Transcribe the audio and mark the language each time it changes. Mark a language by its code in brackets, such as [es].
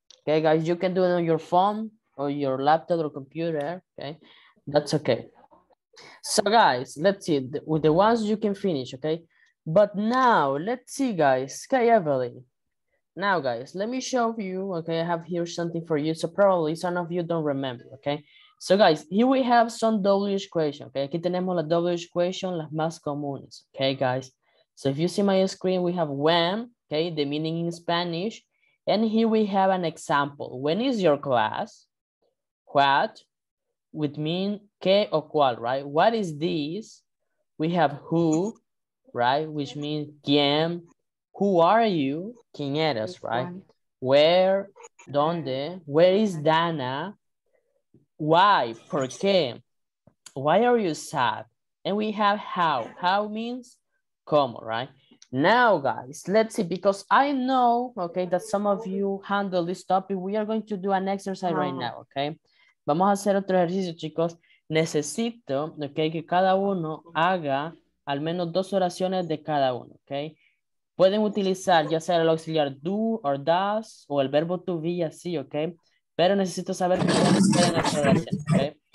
[en] Okay, guys, you can do it on your phone or your laptop or computer, okay? That's okay. So guys, let's see, with the ones you can finish, okay? But now, let's see, guys, okay, Evelyn. Now, guys, let me show you, okay? I have here something for you, so probably some of you don't remember, okay? So guys, here we have some W's question, okay? [es] Aquí tenemos la W's question, las más comunes, okay, guys? [en] So if you see my screen, we have when, okay, the meaning in Spanish. And here we have an example. When is your class? What? Would mean que o cual, right? What is this? We have who, right? Which means quién, who are you, [es] quién eres, [en] right? Where, dónde, where is Dana, why, por qué, why are you sad? And we have how. How means cómo, right? Now, guys, let's see, because I know, okay, that some of you handle this topic. We are going to do an exercise right now, okay? [es] Vamos a hacer otro ejercicio, chicos. Necesito, okay, que cada uno haga al menos dos oraciones de cada uno, okay? Pueden utilizar ya sea el auxiliar do or does o el verbo to be, así, okay? Pero necesito saber cómo pueden hacer oraciones, okay?